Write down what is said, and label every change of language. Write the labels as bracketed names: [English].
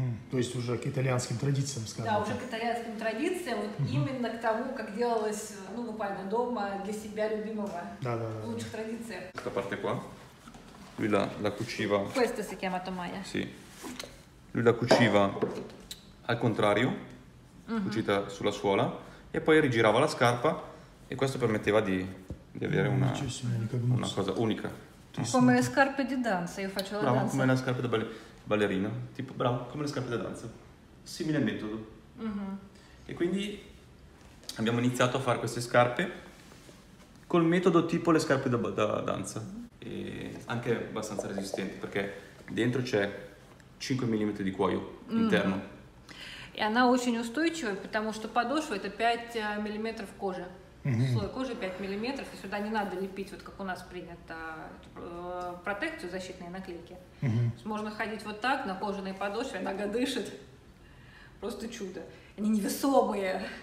[Russian] То есть уже к итальянским традициям, скажем. Да, уже к итальянским традициям, вот именно к тому, как делалось, ну, буквально дома для себя любимого. Да-да-да. В лучших традициях. [Italian] Questa parte qua, lui la, la cuciva. Questa si chiama Tomaya. Sì. Lui la cuciva al contrario, cucita sulla suola, e poi rigirava la scarpa, e questo permetteva di avere una cosa unica. Come le scarpe di danza, io faccio la danza. Come le scarpe da ballerina. Ballerina, tipo bravo, come le scarpe da danza, simile metodo. E quindi abbiamo iniziato a fare queste scarpe col metodo tipo le scarpe da danza, e anche abbastanza resistenti, perché dentro c'è 5 mm di cuoio interno. [Russian] E она очень устойчивая, потому что подошва это 5 мм кожи. Слой кожи 5 мм, и сюда не надо лепить, вот как у нас принято, протекцию, защитные наклейки. Можно ходить вот так, на кожаной подошве, нога дышит. Просто чудо. Они невесомые.